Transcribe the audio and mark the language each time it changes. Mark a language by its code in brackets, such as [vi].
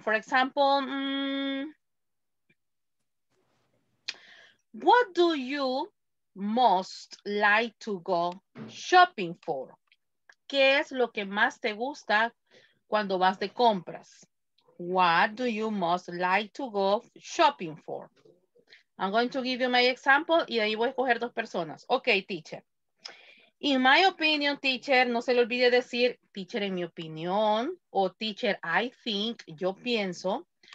[en] For example, what do you most like to go shopping for? [es] ¿Qué es lo que más te gusta cuando vas de compras? [en] What do you most like to go shopping for? I'm going to give you my example [es] y ahí voy a escoger dos personas. [en] Ok, teacher. In my opinion, [es] teacher, no se le olvide decir, teacher, en mi opinión, o teacher, [en] I think, [es] yo pienso.